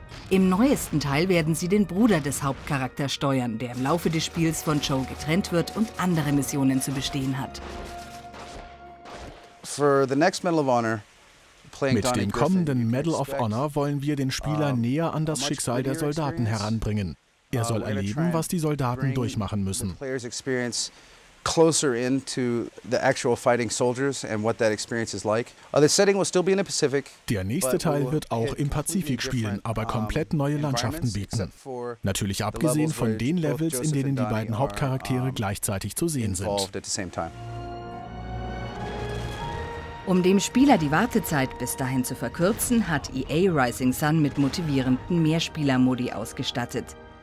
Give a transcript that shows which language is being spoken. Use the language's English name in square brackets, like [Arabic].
[German] Im neuesten Teil werden sie den Bruder des Hauptcharakters steuern, der im Laufe des Spiels von Joe getrennt wird und andere Missionen zu bestehen hat. [English] For the next Medal of Honor, [German] mit dem kommenden Medal of Honor wollen wir den Spieler näher an das Schicksal der Soldaten heranbringen. Er soll erleben, was die Soldaten durchmachen müssen. [English] Closer into the actual fighting soldiers and what that experience is like. The setting will still be in the Pacific. [German] Der nächste Teil wird auch im Pazifik spielen, aber komplett neue Landschaften bieten. Natürlich abgesehen von den Levels, in denen die beiden Hauptcharaktere gleichzeitig zu sehen sind. Um dem Spieler die Wartezeit bis dahin zu verkürzen, hat EA Rising Sun mit motivierenden Mehrspieler-Modi ausgestattet.